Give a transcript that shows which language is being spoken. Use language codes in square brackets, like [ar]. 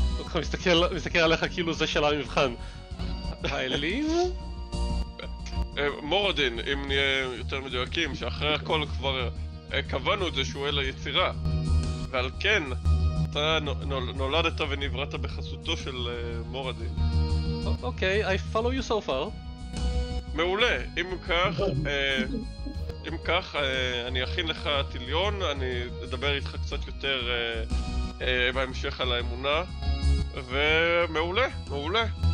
[he] אתה מסתכל עליך כאילו זה של המבחן. האלים? מורדין, אם נהיה יותר מדויקים, שאחרי הכל כבר קבענו את זה שהוא אל היצירה. ועל כן, אתה נולדת ונבראת בחסותו של מורדין. [en] אוקיי, I follow you so far. [he] מעולה, אם כך... אם כך, אני אכין לך טיליון, אני אדבר איתך קצת יותר בהמשך על האמונה, ומעולה, מעולה.